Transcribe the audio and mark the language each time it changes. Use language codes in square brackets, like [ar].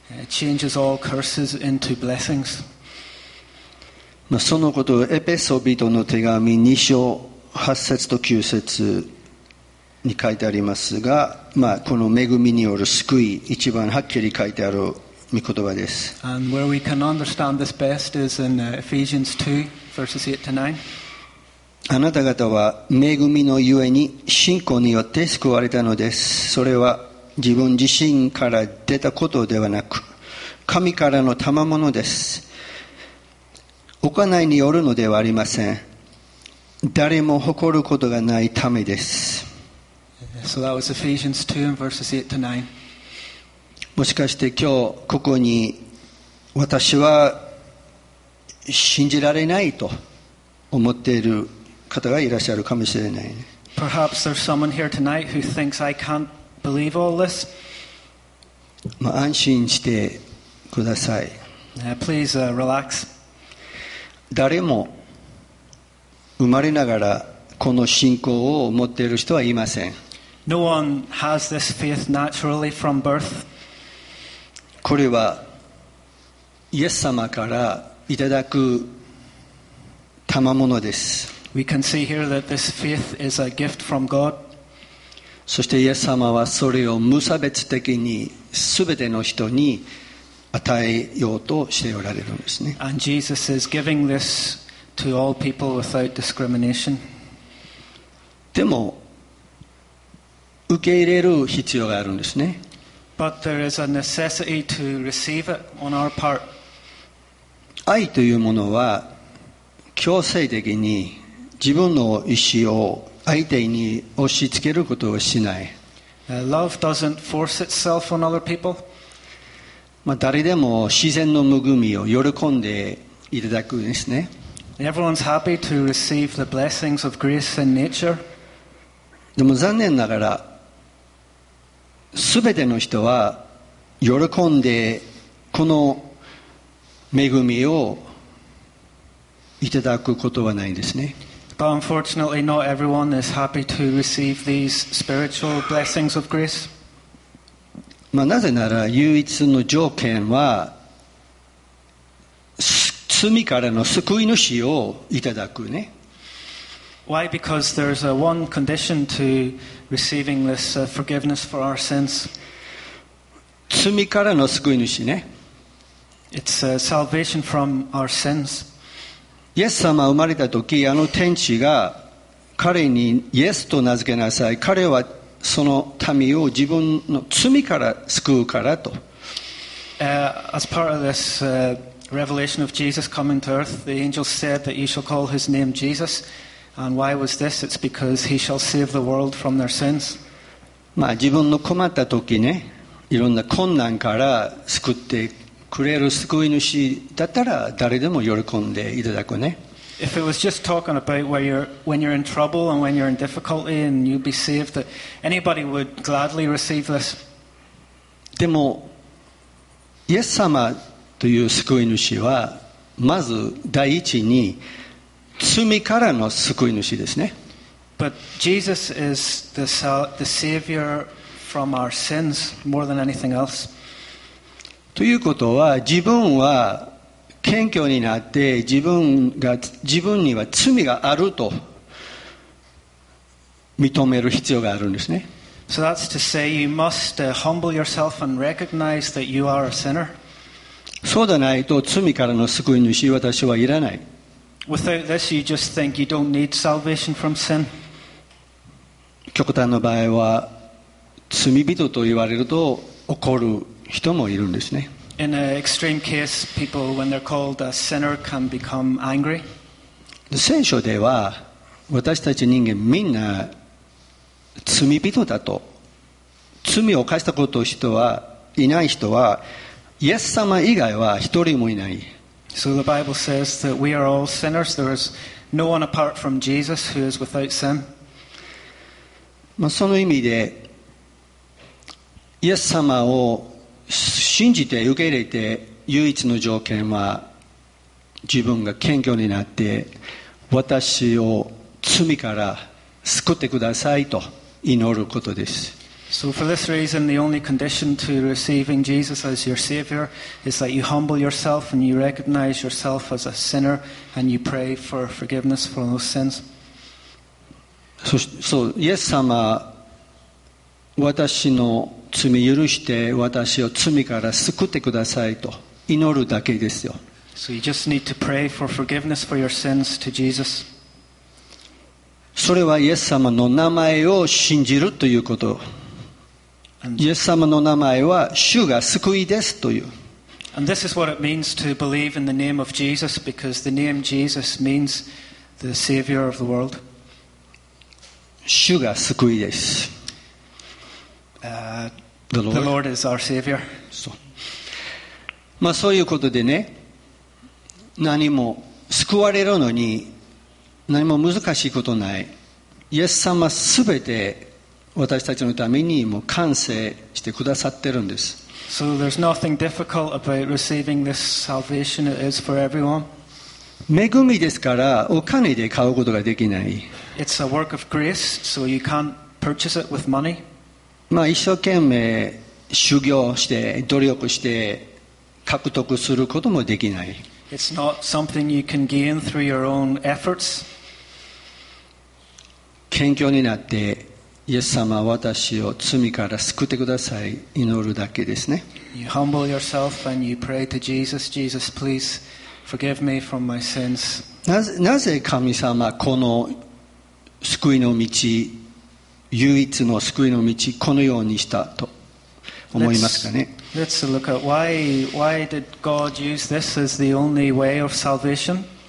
[en] Changes all curses into blessings. [ja] まあ、そのことをエペソ人の手紙2章8節と9節に書いてありますが、まあ、この恵みによる救い一番はっきり書いてある御言葉です。 [en] And where we can understand this best is in Ephesians 2 verses 8 to 9. [ja] あなた方は恵みのゆえに信仰によって救われたのです。それは自分自身から出たことではなく神からの賜物です。行いによるのではありません。誰も誇ることがないためです。 [en] So that was Ephesians 2 and verses 8 to 9. [ja] もしかして今日ここに私は信じられないと思っている方がいらっしゃるかもしれない。 [en] Perhaps there's someone here tonight who thinks I can'tBelieve all this. [ja] まあ、安心してください。 [en] Please, relax. [ja] 誰も生まれながらこの信仰を持っている人はいません。 [en] No one has this faith naturally from birth. [ja] これはイエス様からいただく賜物です。 [en] We can see here that this faith is a gift from God. [ja] そしてイエス様はそれを無差別的に全ての人に与えようとしておられるんですね。 [en] And Jesus is giving this to all people without discrimination. [ja] でも受け入れる必要があるんですね。 [en] But there is a necessity to receive it on our part. [ja] 愛というものは強制的に自分の意思を相手に押し付けることをしない。 [en] Love doesn't force itself on other people. [ja] まあ誰でも自然の恵みを喜んでいただくんですね。 [en] Everyone's happy to receive the blessings of grace in nature. [ja] でも残念ながら、すべての人は喜んでこの恵みをいただくことはないんですね。 [en] But unfortunately, not everyone is happy to receive these spiritual blessings of grace. [ja] まあ、なぜなら唯一の条件は罪からの救い主をいただくね。 [en] Why? Because there's a one condition to receiving this forgiveness for our sins. [ja] 罪からの救い主ね。 [en] It's a salvation from our sins. [ja] イエス様が生まれた時、あの天使が彼にイエスと名付けなさい。彼はその民を自分の罪から救うからと。 [en] As part of this revelation of Jesus coming to earth, the angel said that you shall call his name Jesus. And why was this? It's because he shall save the world from their sins. [ja] まあ自分の困った時ね、いろんな困難から救ってくれる救い主だったら誰でも喜んでいただくね。 [en] If it was just talking about when you're in trouble and when you're in difficulty and you'd be saved, that anybody would gladly receive this. [ja] でも、イエス様という救い主は、まず第一に、罪からの救い主ですね。 [en] But Jesus is the Savior from our sins more than anything else. [ja] ということは、自分は、謙虚になって自分には罪があると認める必要があるんですね。 [en] So that's to say you must humble yourself and recognize that you are a sinner. [ja] そうでないと罪からの救い主私はいらない。 [en] Without this you just think you don't need salvation from sin. [ja] 極端の場合は罪人と言われると怒る人もいるんですね。 [en] In an extreme case, people, when they're called a sinner, can become angry. [ja] 聖書では私たち人間みんな罪人だと、罪を犯したことはいない人はイエス様以外は一人もいない。 [en] So the Bible says that we are all sinners. There is no one apart from Jesus who is without sin. [ja] まあその意味でイエス様を信じて受け入れて唯一の条件は自分が謙虚になって私を罪から救ってくださいと祈ることです。 [en] So for this reason the only condition to receiving Jesus as your Savior is that you humble yourself and you recognize yourself as a sinner and you pray for forgiveness for those sins. [ja] So イエス様私の罪許して私を罪から救ってくださいと祈るだけですよ。 [en] So you just need to pray for forgiveness for your sins to Jesus. [ja] それはイエス様の名前を信じるということ。イエス様の名前は主が救いですという。 [en] And this is what it means to believe in the name of Jesus because the name Jesus means the Savior of the world. [ja] 主が救いです。 [en] The Lord is our Savior. [ja] そう。まあそういうことでね、何も救われるのに何も難しいことない。イエス様すべて私たちのためにも完成してくださってるんです。 [en] So there's nothing difficult about receiving this salvation. It is for everyone. [ja] 恵みですからお金で買うことができない。 [en] It's a work of grace, so you can't purchase it with money. [ja] まあ、一生懸命修行して努力して獲得することもできない。 [en] It's not something you can gain through your own efforts. [ja] 謙虚になってイエス様私を罪から救ってください祈るだけですね。 [en] You humble yourself and you pray to Jesus, Jesus please forgive me from my sins. [ja] なぜ神様この救いの道唯一の救いの道このようにしたと思いますかね。 [en] Let's look at why did God use this as the only way of salvation?